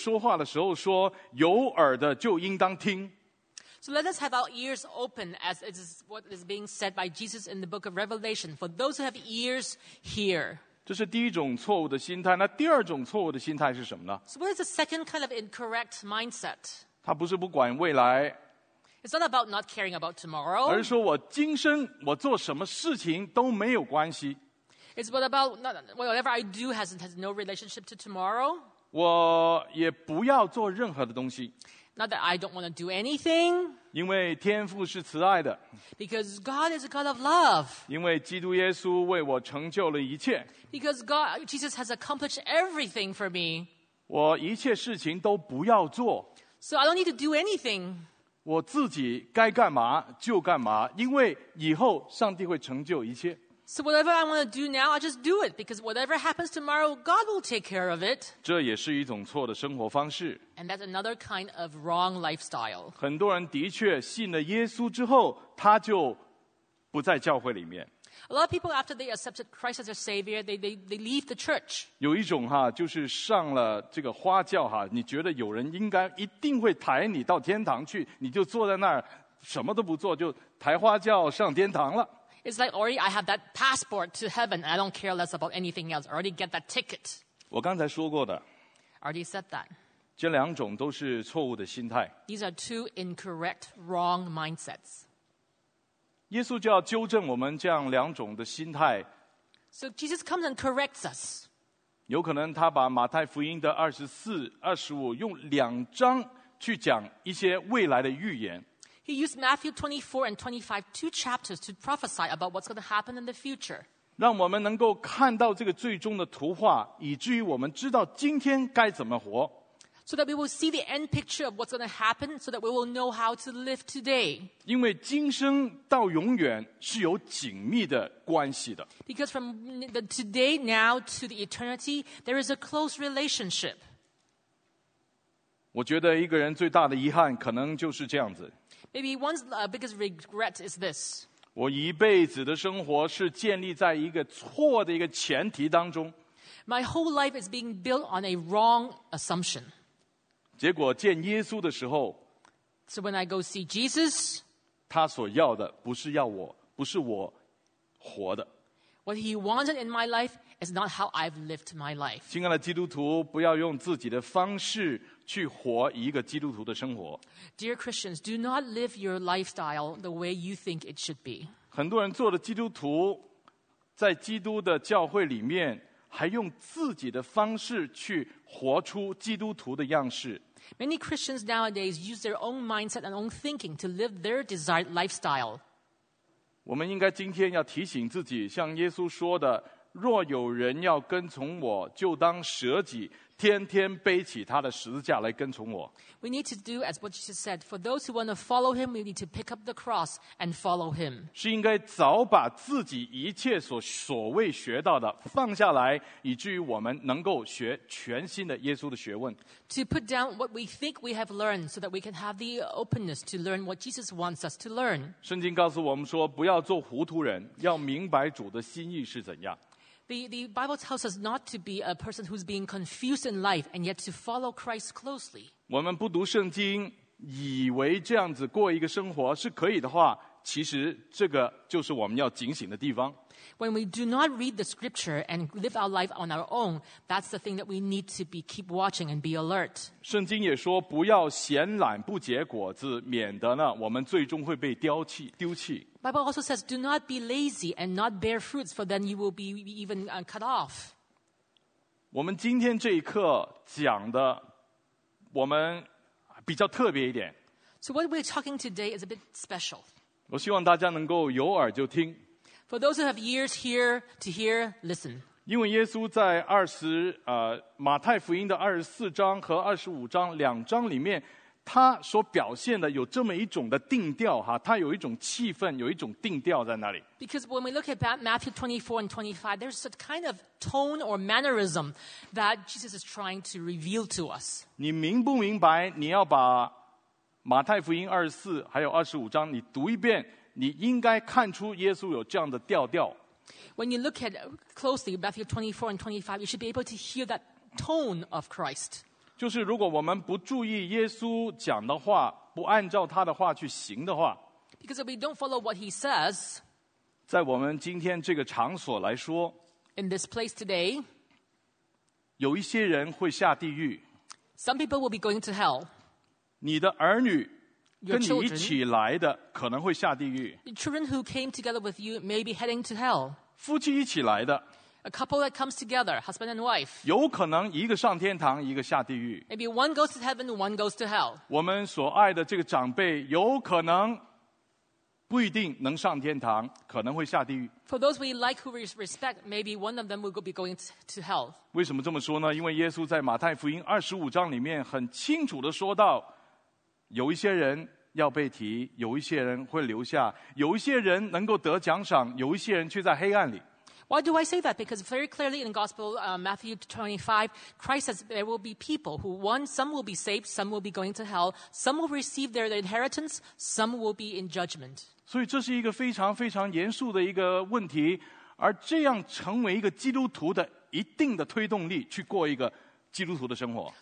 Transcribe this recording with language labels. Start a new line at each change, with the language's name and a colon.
Chinese: 所以有这样的人，我们耳朵现在要张开，好像启示录耶稣基督对教会说话的时候说，有耳的就应当听。
English: So let us have our ears open as it is what is being said by Jesus in the book of Revelation. For those who have ears, hear.
Chinese: 这是第一种错误的心态，那第二种错误的心态是什么呢？
English: So what is the second kind of incorrect mindset?
Chinese: 它不是不管未来。
English: It's not about not caring about tomorrow.
Chinese: 而是说我今生我做什么事情都没有关系。
English: It's what about not, whatever I do has no relationship to tomorrow.
Chinese: 我也不要做任何的东西。
English: Not that I don't want to do anything.
Chinese: 因为天父是慈爱的。
English: Because God is a God of love.
Chinese: 因为基督耶稣为我成就了一切。
English: Because Jesus has accomplished everything for me.
Chinese: 我一切事情都不要做。
English: So I don't need to do anything.
Chinese: 我自己该干嘛就干嘛，因为以后上帝会成就一切。
English: So whatever I want to do now, I just do it. Because whatever happens tomorrow, God will take care of it.
Chinese: 这也是一种错的生活方式。
English: And that's another kind of wrong lifestyle.
Chinese: 很多人的确信了耶稣之后，他就不在教会里面。
English: A lot of people, after they accepted Christ as their Savior, they leave the church.
Chinese: 有一种哈，就是上了这个花轿哈，你觉得有人应该一定会抬你到天堂去，你就坐在那儿，什么都不做，就抬花轿上天堂了。
English: It's like already I have that passport to heaven. I don't care less about anything else. I already get that ticket.
Chinese: 我刚才说过的。
English: Already said that.
Chinese: 这两种都是错误的心态。
English: These are two incorrect, wrong mindsets.
Chinese: 耶稣就要纠正我们这样两种的心态。
English: So Jesus comes and corrects us.
Chinese: 有可能他把马太福音的24、25用两章去讲一些未来的预言。
English: He used Matthew 24 and 25, two chapters, to prophesy about what's going to happen in the future.
Chinese: 让我们能够看到这个最终的图画，以至于我们知道今天该怎么活。
English: So that we will see the end picture of what's going to happen, so that we will know how to live today.
Chinese: 因为今生到永远是有紧密的关系的。
English: Because from the today now to the eternity, there is a close relationship.
Chinese: 我觉得一个人最大的遗憾可能就是这样子。
English: Maybe one's biggest regret is this.
Chinese: 我一辈子的生活是建立在一个错的一个前提当中。
English: My whole life is being built on a wrong assumption.
Chinese: 结果见耶稣的时候。
English: So when I go see Jesus.
Chinese: 他所要的不是要我，不是我活的。
English: What he wanted in my life is not how I've lived my life.
Chinese: 亲爱的基督徒，不要用自己的方式去活一个基督徒的生活。
English: Dear Christians, do not live your lifestyle the way you think it should be.
Chinese: 很多人做了基督徒，在基督的教会里面，还用自己的方式去活出基督徒的样式。
English: Many Christians nowadays use their own mindset and own thinking to live their desired lifestyle.
Chinese: 我们应该今天要提醒自己，像耶稣说的，若有人要跟从我，就当舍己。天天背起他的十字架来跟从我。
English: We need to do as what Jesus said. For those who want to follow him, we need to pick up the cross and follow him.
Chinese: 是应该早把自己一切所谓学到的放下来，以至于我们能够学全新的耶稣的学问。
English: To put down what we think we have learned, so that we can have the openness to learn what Jesus wants us to learn.
Chinese: 圣经告诉我们说，不要做糊涂人，要明白主的心意是怎样。
English: The Bible tells us not to be a person who's being confused in life and yet to follow Christ closely.
Chinese: 我们不读圣经，以为这样子过一个生活是可以的话，其实这个就是我们要警醒的地方。
English: When we do not read the scripture and live our life on our own, that's the thing that we need to be keep watching and be alert.
Chinese: 圣经也说不要闲懒不结果子，免得呢我们最终会被丢弃。
English: Bible also says, "Do not be lazy and not bear fruits, for then you will be even cut off."
Chinese: 我们今天这一课讲的，我们比较特别一点。
English: So what we're talking today is a bit special.
Chinese: 我希望大家能够有耳就听。
English: For those who have ears here to hear, listen.
Chinese: 因为耶稣在马太福音的24章和25章两章里面。他所表现的有这么一种的定调哈，他有一种气氛，有一种定调在那里。
English: Because when we look at Matthew 24 and 25, there's a kind of tone or mannerism that Jesus is trying to reveal to us.
Chinese: 你明不明白？你要把马太福音24还有25章，你读一遍，你应该看出耶稣有这样的调调。
English: When you look at closely Matthew 24 and 25, you should be able to hear that tone of Christ.
Chinese: 就是如果我们不注意耶稣讲的话，不按照他的话去行的话，
English: Because if we don't follow what he says,
Chinese: 在我们今天这个场所来说，
English: In this place today,
Chinese: 有一些人会下地狱，
English: Some people will be going to hell.
Chinese: 你的儿女跟你一起来的可能会下地狱，
English: The children who came together with you may be heading to hell.
Chinese: 夫妻一起来的
English: A couple that comes together, husband and wife.
Chinese: 有可能一个上天堂，一个下地狱。
English: Maybe one goes to heaven, one goes to hell.
Chinese: 我们所爱的这个长辈，有可能不一定能上天堂，可能会下地狱。
English: For those we like, who we respect, maybe one of them will be going to hell.
Chinese: 为什么这么说呢？因为耶稣在马太福音25章里面很清楚地说到，有一些人要被提，有一些人会留下，有一些人能够得奖赏，有一些人却在黑暗里。
English: Why do I say that? Because very clearly in Gospel Matthew 25, Christ says there will be people who, one, some will be saved, some will be going to hell, some will receive their inheritance, some will be in judgment.
Chinese: 所以这是一个非常非常严肃的一个问题，而这样成为一个基督徒的一定的推动力，去过一个基督徒的生活。